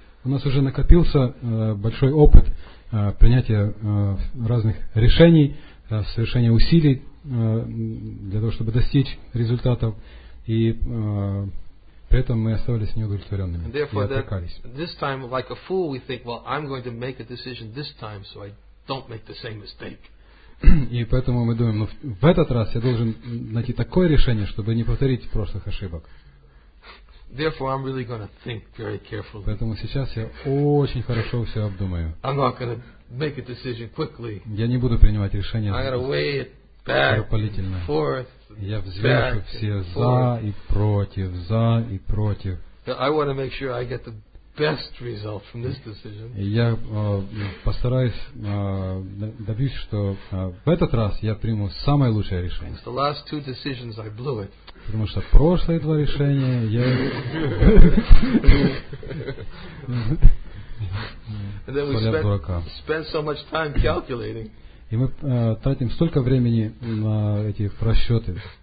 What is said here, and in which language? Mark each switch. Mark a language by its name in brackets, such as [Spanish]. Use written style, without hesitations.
[Russian] У нас уже накопился большой опыт принятия разных решений, совершения усилий для того, чтобы достичь результатов, и при этом мы оставались неудовлетворенными и отрекались. [English] This time, like a fool, we think, well, I'm going to make a decision this time, so I don't make the same mistake. [Russian] И поэтому мы думаем, ну, в этот раз я должен найти такое решение, чтобы не повторить прошлых ошибок. [English] Therefore, I'm really going to think very carefully. [Russian] Поэтому сейчас я очень хорошо все обдумаю. [English] I'm not going to make a decision quickly. [Russian] Я не буду принимать решение. [English] I'm going to weigh it back, forth, [Russian] я взвешу все за и против, за и против. [English] I want to make sure I get the best result from this decision. [Russian] Я постараюсь добиться, что в этот раз я приму самое лучшее решение. [English] The last two decisions, I blew it. [Russian] Потому что прошлые два решения я. [English] And then we spent so much time calculating. [Russian] И мы тратим столько времени на эти расчеты.